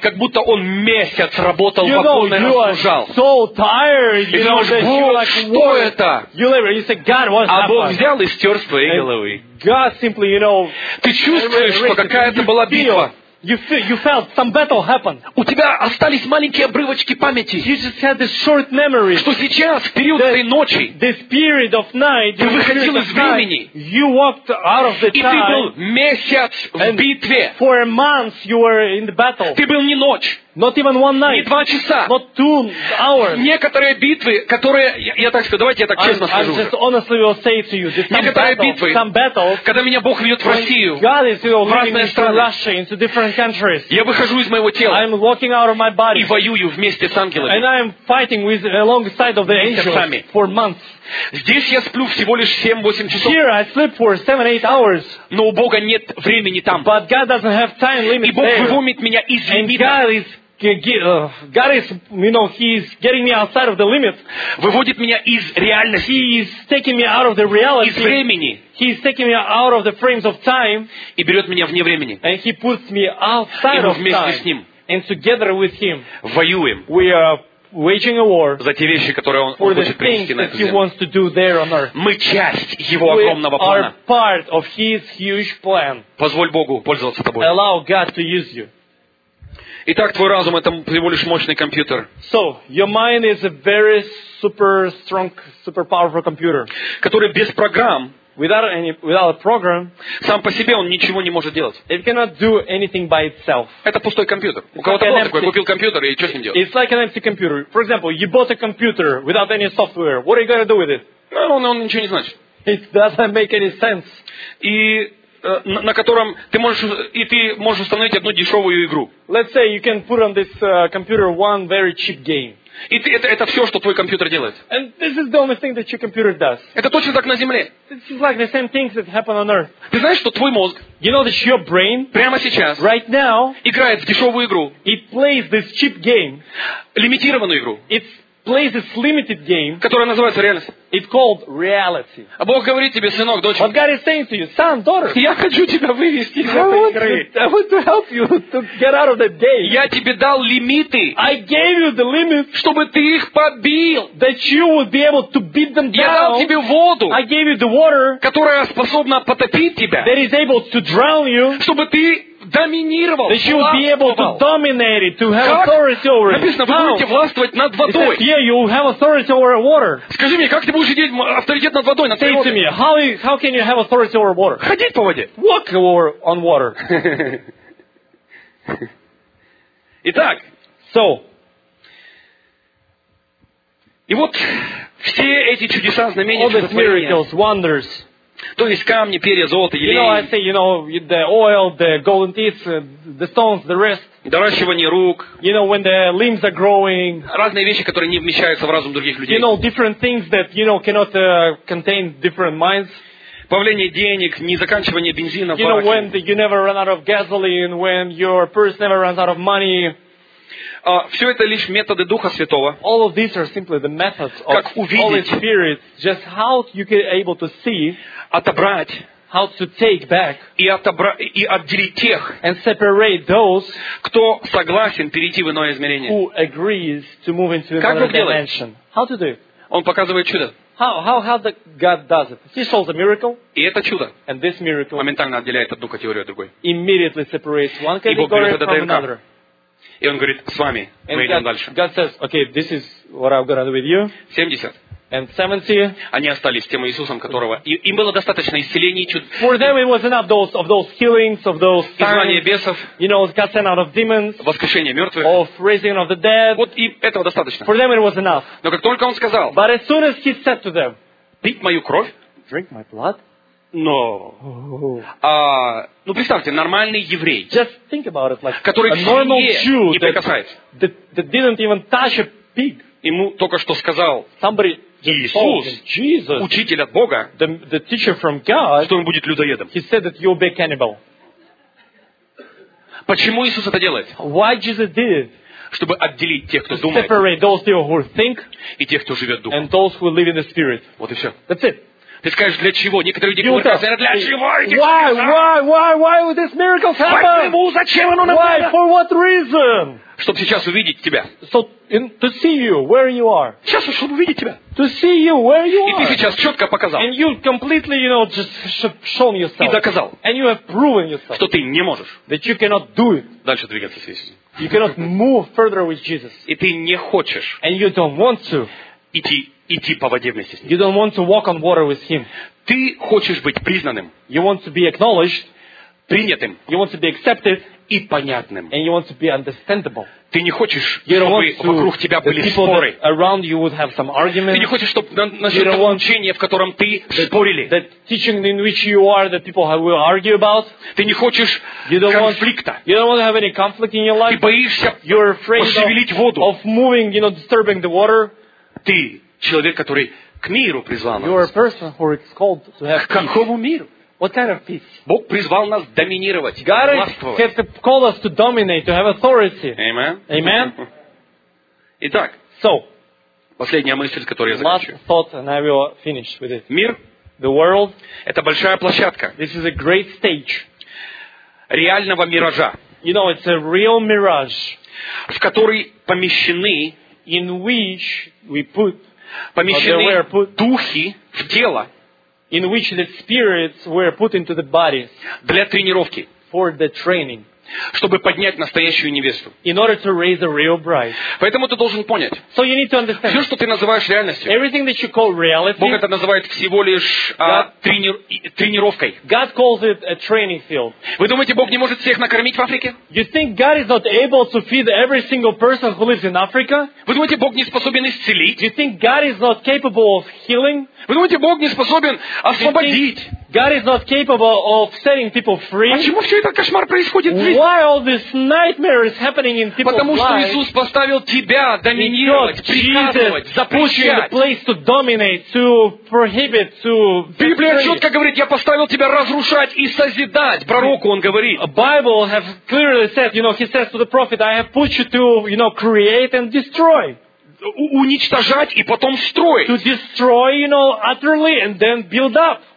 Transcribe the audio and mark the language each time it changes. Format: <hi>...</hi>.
<ru>Как будто он месяц работал,</ru> <en>you know,</en> <ru>в окно и служал.</ru> <en>So tired, you</en> <ru>и</ru> <en>know, that</en> <ru>Бог,</ru> <en>like,</en> <ru>что это?</ru> <en>You labor. You say, God, what's</en> <ru>а Бог взял и стер с твоей</ru> <en>and</en> <ru>головы.</ru> <en>God simply, you know,</en> <ru>ты чувствуешь, что какая-то была битва.</ru> <en>You felt some battle happened.</en> <ru>У тебя остались маленькие обрывочки памяти.</ru> <en>You just had this short memory.</en> <ru>Что сейчас, в период этой ночи,</ru> <en>this period of night,</en> <ru>ты выходил из времени.</ru> <en>You walked out of the time.</en> <ru>И ты был месяц в битве.</ru> <en>For a month you were in the battle.</en> <ru>Ты был не ночь.</ru> <en>Not even one night.</en> <ru>Не два часа.</ru> <en>Not 2 hours.</en> <ru>Некоторые битвы, которые я так скажу, давайте я так честно скажу.</ru> <en>I just honestly will say to you,</en> <ru>некоторые битвы, когда меня Бог ведет в Россию,</ru> <en>God is</en> <ru>в разные страны,</ru> <en>into Russia, into different countries,</en> <ru>я выхожу из моего тела,</ru> <en>I'm walking out of my body,</en> <ru>и воюю вместе с ангелами,</ru> <en>and I'm fighting with alongside of the angels for months.</en> <ru>Здесь я сплю всего лишь 7-8 часов.</ru> <en>Here I sleep for 7-8 hours.</en> <ru>Но у Бога нет времени там.</ru> <en>But God doesn't have time limit.</en> <ru>И Бог выводит меня из лимита.</ru> <en>God is, you know, he is getting me outside of the limit.</en> <ru>Выводит меня из реальности.</ru> <en>He is taking me out of the reality.</en> <ru>Из времени.</ru> <en>He is taking me out of the frames of time.</en> <ru>И берет меня вне времени.</ru> <en>And he puts me outside of time.</en> <ru>И мы вместе с ним.</ru> <en>And together with him.</en> <ru>Воюем.</ru> <en>We are waging a war</en> <ru>за те вещи, которые он хочет принести на эту землю.</ru> <en>He wants to do there on earth.</en> <ru>Мы часть его огромного плана.</ru> <en>We are part of his huge plan.</en> <ru>Позволь Богу пользоваться тобой.</ru> <en>Allow God to use you.</en> <ru>Итак, твой разум — это всего лишь мощный компьютер.</ru> <en>So, your mind is a very super strong, super powerful computer.</en> <ru>Который без программ,</ru> <en>without a program,</en> <ru>сам по себе он ничего не может делать.</ru> <en>It cannot do anything by itself.</en> <ru>Это пустой компьютер. It's у кого-то like было такое, купил компьютер, и что с ним делать?</ru> <en>It's like an empty computer. For example, you bought a computer without any software. What are you going to do with it?</en> <ru>Он ничего не значит.</ru> <en>It doesn't make any sense.</en> <ru>И на котором ты можешь установить одну дешевую игру.</ru> <en>Let's say you can put on this computer one very cheap game.</en> <ru>И это все, что твой компьютер делает.</ru> <en>And this is the only thing that your computer does.</en> <ru>Это точно так на земле.</ru> <en>This is like the same things that happen on earth.</en> <ru>Ты знаешь, что твой мозг,</ru> <en>you know, that your brain</en> <ru>прямо сейчас,</ru> <en>right now,</en> <ru>играет в дешевую игру.</ru> <en>It plays this cheap game.</en> <ru>Лимитированную игру.</ru> <en>It plays this limited game.</en> <ru>Которая называется реальность.</ru> <en>It's called reality.</en> <ru>А Бог говорит тебе, сынок, дочь.</ru> <en>What God is saying to you, son, daughter.</en> <ru>Я хочу тебя вывести из этой игры.</ru> <en>I want to help you to get out of that game.</en> <ru>Я тебе дал лимиты.</ru> <en>I gave you the limits.</en> <ru>Чтобы ты их побил.</ru> <en>That you would be able to beat them down.</en> <ru>Я дал тебе воду.</ru> <en>I gave you the water.</en> <ru>Которая способна потопить тебя.</ru> <en>That is able to drown you.</en> <ru>Чтобы ты доминировал.</ru> <en>That you would be able to dominate it, to have authority over it.</en> <ru>Написано, вы будете властвовать над водой.</ru> <en>It says, yeah, you have authority over water.</en> <ru>Скажи мне, как ты будешь иметь авторитет над водой, над</ru> <en>Say to me, how can you have authority over water?</en> <ru>Ходить по воде.</ru> <en>Walk over on water.</en> <ru>Итак.</ru> <en>So.</en> <ru>И вот все эти чудеса, знамения,</ru> <en>all these miracles, wonders.</en> <ru>То есть камни, перья, золото, елей.</ru> <en>You know, I say, you know, the oil, the golden teeth, the stones, the rest.</en> <ru>Доращивание рук.</ru> <en>You know, when the limbs are growing.</en> <ru>Разные вещи, которые не вмещаются в разум других людей.</ru> <en>You know, different things that, you know, cannot contain different minds.</en> <ru>Появление денег, не заканчивание бензина в баке.</ru> <en>You know, when you never run out of gasoline, when your purse never runs out of money.</en> <ru>Все это лишь методы Духа Святого.</ru> <en>All of these are simply the methods of</en> <ru>как увидеть,</ru> <en>Holy Spirit, just how you can able to see,</en> <ru>отобрать,</ru> <en>how to take back,</en> <ru>и отделить тех,</ru> <en>and separate those,</en> <ru>кто согласен перейти в иное измерение.</ru> <en>Who agrees to move into</en> <ru>как</ru> <en>another dimension. How to do?</en> <ru>Он показывает чудо.</ru> <en>How the God does it? He shows a miracle.</en> <ru>И это чудо.</ru> <en>And this miracle</en> <ru>моментально отделяет одну категорию от другой.</ru> <en>Immediately separates one category from</en> <ru>ДНК.</ru> <en>Another.</en> <ru>И он говорит, с вами,</ru> <en>and</en> <ru>мы идем дальше.</ru> <en>God says, okay, this is what I'm going to do with you.</en> <ru>70.</ru> <en>And 70.</en> <ru>Они остались тем Иисусом, которого... Им было достаточно исцелений, чуд...</ru> <en>For them it was enough of those healings, of those signs.</en> <ru>Изгнание бесов.</ru> <en>You know, God sent out of demons.</en> <ru>Воскрешение мертвых.</ru> <en>Of raising of the dead.</en> <ru>Вот им этого достаточно.</ru> <en>For them it was enough.</en> <ru>Но как только он сказал...</ru> <en>But as soon as he said to them...</en> <ru>Пить мою кровь?</ru> <en>Drink my blood?</en> <ru>Но, представьте, нормальный еврей,</ru> <en>just think about it, like,</en> <ru>который к свинье не прикасается,</ru> <en>that didn't even touch a pig.</en> <ru>Ему только что сказал</ru> <en>somebody,</en> <ru>Иисус,</ru> <en>Jesus,</en> <ru>учитель от Бога,</ru> <en>the teacher from God,</en> <ru>что он будет людоедом.</ru> <en>He said that you'll be a cannibal.</en> <ru>Почему Иисус это делает?</ru> <en>Why Jesus did it?</en> <ru>Чтобы отделить тех, кто</ru> <en>to</en> <ru>думает,</ru> <en>separate those people who think,</en> <ru>и тех, кто живет Духом.</ru> <en>And those who live in the Spirit.</en> <ru>Вот и все.</ru> <en>That's it.</en> <ru>Ты скажешь, для чего? Некоторые люди говорят, для чего эти чудеса?</ru> <en>Why would this miracle happen?</en> <ru>Зачем оно нам?</ru> <en>Why, for what reason?</en> <ru>Чтобы сейчас увидеть тебя.</ru> <en>So, to see you where you are.</en> <ru>Сейчас, чтобы увидеть тебя.</ru> <en>To see you where you are.</en> <ru>И ты сейчас четко показал.</ru> <en>And you completely, you know, just shown yourself.</en> <ru>И доказал.</ru> <en>And you have proven yourself.</en> <ru>Что ты не можешь.</ru> <en>That you cannot do it.</en> <ru>Дальше двигаться с Иисусом.</ru> <en>You cannot move further with Jesus.</en> <ru>И ты не хочешь.</ru> <en>And you don't want to.</en> <ru>Идти по воде вместе с ним.</ru> <en>You don't want to walk on water with him.</en> <ru>Ты хочешь быть признанным.</ru> <en>You want to be acknowledged.</en> <ru>Принятым.</ru> <en>You want to be accepted.</en> <ru>И понятным.</ru> <en>And you want to be understandable.</en> <ru>Ты не хочешь, чтобы вокруг тебя были споры.</ru> <en>Around you would have some arguments.</en> <ru>Ты не хочешь, чтобы насчет того учения, в котором ты спорили.</ru> <en>That teaching in which you are, that people have, will argue about.</en> <ru>Ты не хочешь конфликта.</ru> <en>You don't want to have any conflict in your life.</en> <ru>Ты боишься пошевелить воду.</ru> <en>Of moving, you know, disturbing the water.</en> <ru>Ты человек, который к миру призван.</ru> <en>You are a person who is called to have peace.</en> <ru>К какому миру?</ru> <en>What kind of peace?</en> <ru>Бог призвал нас доминировать,</ru> <en>God</en> <ru>властвовать.</ru> <en>God has called us to dominate, to have authority. Amen. Amen.</en> <ru>Итак,</ru> <en>so,</en> <ru>последняя мысль, которую я закончу.</ru> <en>Last thought, and I will finish with it.</en> <ru>Мир,</ru> <en>the world,</en> <ru>это большая площадка.</ru> <en>This is a great stage.</en> <ru>Реального миража.</ru> <en>You know, it's a real mirage.</en> <ru>В который помещены,</ru> <en>in which we put,</en> <ru>помещены</ru> <en>or where put,</en> <ru>духи в тело.</ru> <en>In which the spirits were put into the bodies.</en> <ru>Для тренировки.</ru> <en>For the training.</en> <ru>Чтобы поднять настоящую невесту.</ru> <en>In order to raise a real bride.</en> <ru>Поэтому ты должен понять.</ru> <en>So you need to understand.</en> <ru>Все, что ты называешь реальностью.</ru> <en>Everything that you call reality.</en> <ru>Бог это называет всего лишь тренировкой.</ru> <en>God calls it a training field.</en> <ru>Вы думаете, Бог не может всех накормить в Африке?</ru> <en>You think God is not able to feed every single person who lives in Africa?</en> <ru>Вы думаете, Бог не способен исцелить?</ru> <en>You think God is not capable of healing?</en> <ru>Вы думаете, Бог не способен освободить?</ru> <en>God is not capable of setting people free.</en> <ru>Почему все это кошмар происходит здесь?</ru> <en>Why all this nightmare is happening in people's</en> <ru>Потому что Иисус поставил тебя доминировать, приказывать, запрещать.</ru> <en>Jesus put you in a place to dominate, to prohibit, to.</en> <ru>Библия четко говорит, я поставил тебя разрушать и созидать. Пророку он говорит.</ru> <en>The Bible has clearly said, you know, he says to the prophet, I have put you to, you know, create and destroy.</en> <ru>Уничтожать и потом строить.</ru> <en>To destroy, you know, utterly and then build up.</en>